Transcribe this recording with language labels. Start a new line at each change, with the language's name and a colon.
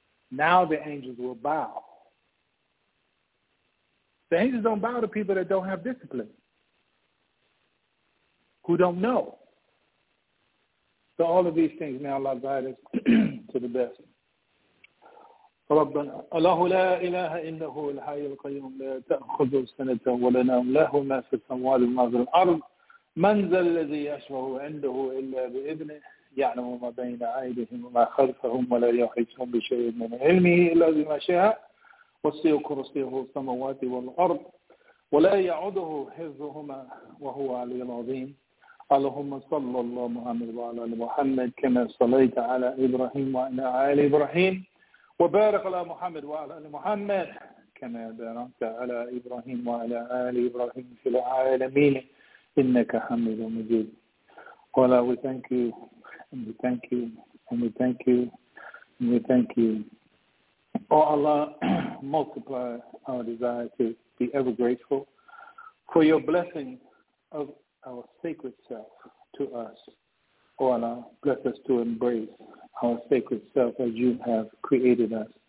English: Now the angels will bow. The angels don't bow to people that don't have discipline, who don't know. So all of these things, may Allah guide us to the best.
Arabic: ربنا الله لا اله الا هو الحي القيوم لا تاخذ سنه ولا نوم له ما في السماوات وما في الارض من ذا الذي يشفع عنده إلا بإذنه يعلم ما بين أيديهم وما خلفهم ولا يحيطون بشيء من علمه إلا بما شاء وسع كرسيه السماوات والأرض ولا يعوده حفظهما وهو العلي العظيم اللهم صل الله محمد وعلى آل محمد كما صليت على إبراهيم وعلى آل إبراهيم وبارك على محمد وعلى آل محمد كما باركت على إبراهيم وعلى آل إبراهيم في العالمين إِنَّكَ حَمِيدٌ مَجِيدٌ
English: Allah, we thank you, and we thank you, and we thank you, and we thank you. Oh Allah, multiply our desire to be ever grateful for your blessing of our sacred self to us. Oh Allah, bless us to embrace our sacred self as you have created us.